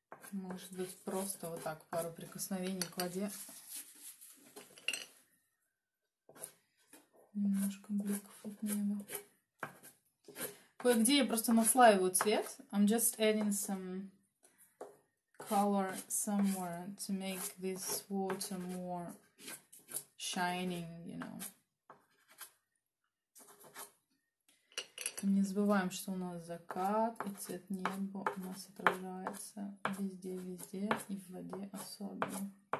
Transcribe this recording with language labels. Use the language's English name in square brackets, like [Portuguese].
[Russian] Может быть, просто вот так пару прикосновений к воде. Немножко бликов от неба. Кое-где я просто наслаиваю цвет. [English] I'm just adding some color somewhere to make this water more shining, you know. [Russian] Не забываем, что у нас закат, и цвет неба у нас отражается везде-везде, и в воде особенно.